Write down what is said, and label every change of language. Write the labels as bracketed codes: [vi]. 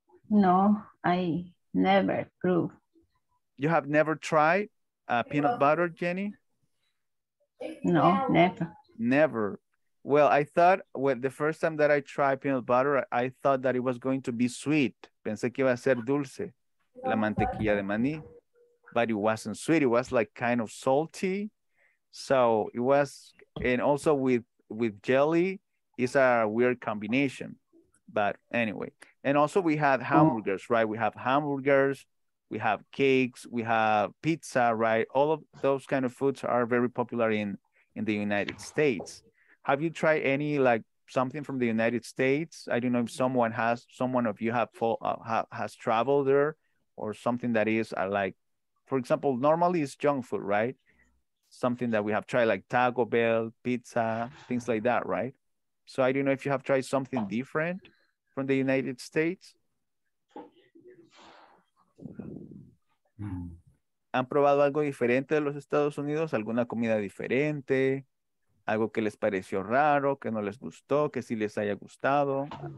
[en] No, I never proved. You have never tried peanut butter, Jenny? No, never. Never. Well, I thought the first time that I tried peanut butter, I thought that it was going to be sweet. [es] Pensé que iba a ser dulce, la mantequilla de maní. [en] But it wasn't sweet. It was like kind of salty. So it was, and also with jelly, it's a weird combination. But anyway, and also we had hamburgers, right? We have hamburgers. We have cakes, we have pizza, right? All of those kind of foods are very popular in the United States. Have you tried any, like, something from the United States? I don't know if someone of you has traveled there or something that is, like, for example, normally it's junk food, right? Something that we have tried, like Taco Bell, pizza, things like that, right? So I don't know if you have tried something different from the United States. [es] ¿Han probado algo diferente de los Estados Unidos? ¿Alguna comida diferente? ¿Algo que les pareció raro, que no les gustó, que sí les haya gustado?